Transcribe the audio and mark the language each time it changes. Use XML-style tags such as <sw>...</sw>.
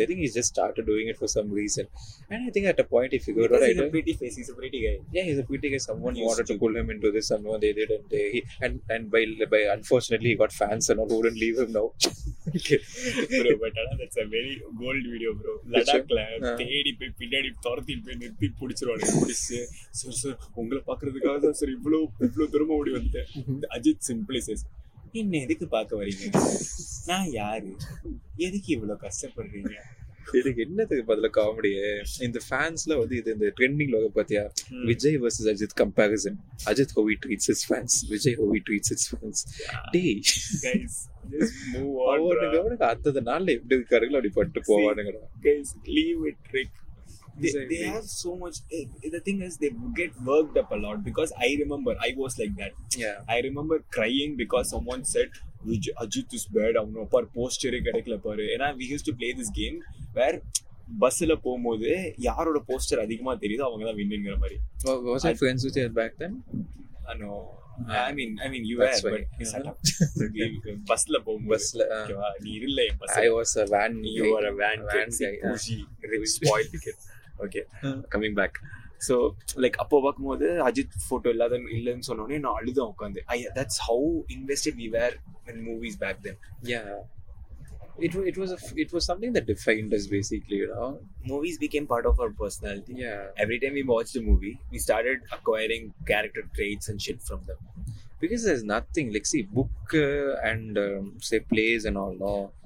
<en>I think he's just started doing it for some reason. And I think at a point, if you go to right, he's a pretty face, he's a pretty guy. Yeah, he's a pretty guy. Someone wanted to pull him into this, and no, they didn't. And unfortunately, he got fans and all who wouldn't leave him now. Bro, but that's a very gold video, bro. Ladakh clan.</en> <ta>தேடி போய் பின்னாடி துரத்தி போய் நிறுத்தி பிடிச்சிருவானு பிடிச்சு sir sir உங்களை பாக்குறதுக்காக தான் சார் இவ்வளவு இவ்வளவு திரும்ப ஓடி வந்தேன். அஜித் சிம்பிளிசஸ், என்ன எதுக்கு பார்க்க வரீங்க, நான் யாரு, எதுக்கு இவ்வளவு கஷ்டப்படுறீங்க, இதுக்கு என்னத்துக்கு பதில காமெடியே. இந்த ஃபேன்ஸ்ல வந்து இது இந்த ட்ரெண்டிங்ல பாத்தியா, Vijay versus Ajith comparison, Ajith have he treats his fans, Vijay have he treats his fans. டேய்</ta> <en>Guys, just move on. ஒரு</en> <ta>நிமிஷம் அடுத்த நாள்ல எப்படி இருக்காருங்களோ அப்படி பட்டு போவானுங்கடா</ta> <en>Guys. Leave it trick. They have so much. The thing is, they get worked up a lot, because I remember I was like that. Yeah. I remember crying because someone said, Ajit is bad, I'm not par posture kadikla par. And we used to play this game where</en> <ta>பஸ்ஸில் போகும்போது யாரோட poster அதிகமாக தெரியுதோ அவங்க தான் வின்னுங்கிற</ta> <en>மாதிரி. Was your friends with you back then? No. I mean you were, but</en> <ta>பஸ்ல போகும் பஸ்ல நீ இல்ல என்</ta> <en>Bus. I was a van. You were a van. Van guy. Spoiled kid. Okay. Coming back.</en> <ta>So, like, அப்போ பார்க்கும்போது Ajith photo இல்லாத இல்லைன்னு சொன்னோடனே நான் அழுதான் உட்காந்து.</ta> <en>That's how invested we were in movies back then. Yeah. It was something that defined us, basically, you know. Movies became part of our personality. Yeah. Every time we watched a movie, we started acquiring character traits and shit from them. Because there's nothing, like, see, book and say plays and all, no.</en>